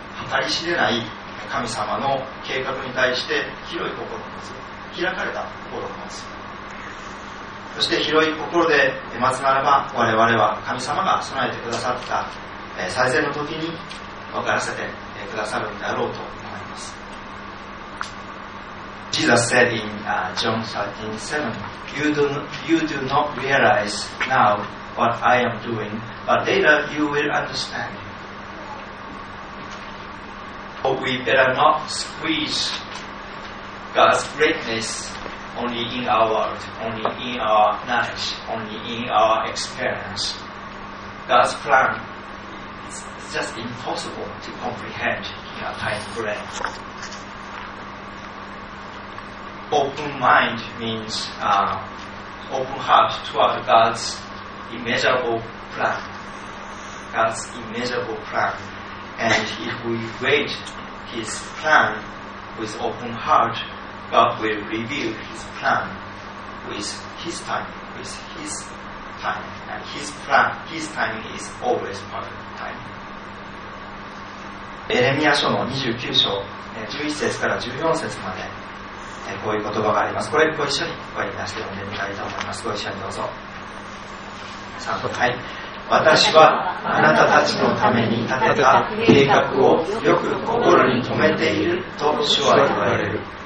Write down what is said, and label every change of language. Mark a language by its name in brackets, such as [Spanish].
[Japanese] 計り知れない神様の計画に対して広い心を持つ、開かれた心を持つ、そして広い心で待つならば、我々は神様が備えてくださった最善の時に分からせてくださるんだろうと思います。 [English] Jesus said in John 13:7 You do not realize now what I am doing, but later you will understandWe better not squeeze God's greatness only in our world, only in our knowledge, only in our experience. God's plan is just impossible to comprehend in our tiny brain. Open mind means open heart toward God's immeasurable plan. God's immeasurable plan. And if we waitHis plan with open heart, God will reveal His plan with His time, with His time, and His plan, His timing is always perfect timing. [Japanese] エレミア書の29章11節から14節までこういう言葉があります。これご一緒にお読みなして読んでみたいと思います。ご一緒にどうぞ。はい、私はあなたたちのために立てた計画をよく心に留めていると主は言われる。